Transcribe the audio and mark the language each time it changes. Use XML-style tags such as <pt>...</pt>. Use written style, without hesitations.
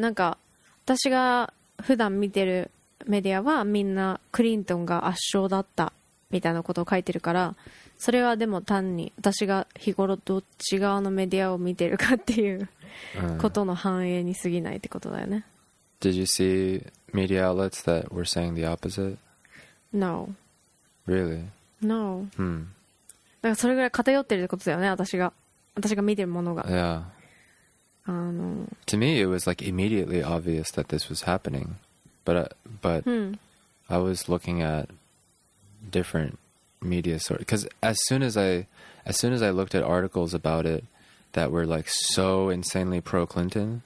<ja>なんか私が普段見てるメディアはみんなクリントンが圧勝だったみたいなことを書いてるから、それはでも単に私が日頃どっち側のメディアを見てるかっていうことの反映に過ぎないってことだよね。</ja> <en>Did you see media outlets that were saying the opposite? No. Really? No. Hmm.</en> <ja>だからそれぐらい偏ってるってことだよね、私が見てるものが。</ja> <en>Yeah. To me, it was like immediately obvious that this was happening. But I was looking at different media sources. Because as soon as I looked at articles about it, that were like so insanely pro Clinton.</en>